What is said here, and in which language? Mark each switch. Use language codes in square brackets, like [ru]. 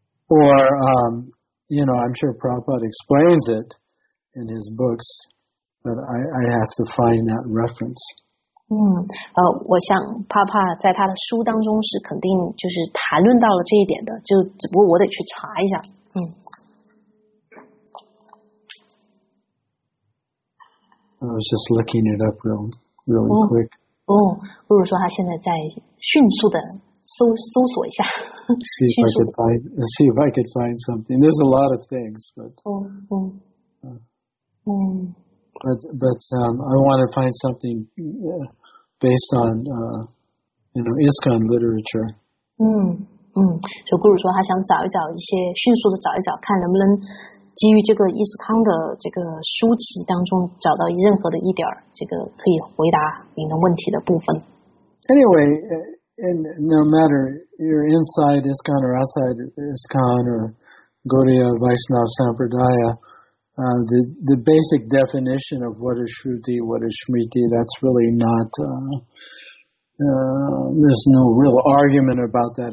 [en] Or, you know, I'm sure Prabhupada explains it in his books, but I have to find that reference. [zh] 我想帕帕在他的书当中是肯定就是谈论到了这一点的，就只不过我得去查一下。 [en] I was just looking it up really quick. [zh] 不如说他现在在迅速的搜索一下。 [en] See if I could find something. There's a lot of things, but. I want to find something based on, ISKCON literature. [zh] 就不如说他想找一找一些迅速的找一找，看能不能。基于这个伊斯康的这个书籍当中找到任何的一点这个可以回答您的问题的部分。 [en] Anyway, and no matter you're inside ISKCON or outside ISKCON or Gaudiya Vaishnava Sampradaya, the basic definition of what is Shruti, what is Smriti, that's really not, there's no real argument about that.